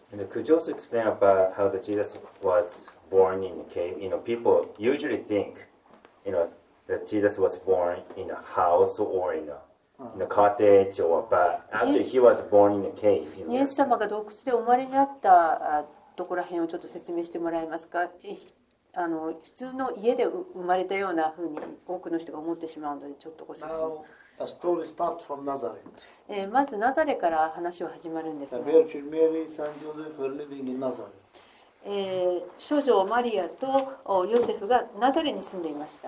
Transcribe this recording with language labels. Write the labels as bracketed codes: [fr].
[en] Could you also explain about how the Jesus was born in a cave? You know, people usually think, you know, that Jesus was born in a house or in a cottage or, but actually he was born in a cave. [ja] イエス様が洞窟で生まれになったところへんをちょっと説明してもらえますか。あの普通の家で生まれたようなふうに多くの人が思ってしまうので、ちょっとご説明。 [en] The story starts from Nazareth. [ja] まずナザレから話は始まるんです [en] が、The Virgin Mary, Saint Joseph were living in Nazareth. [ja] 少女マリアとヨセフがナザレに住んでいました。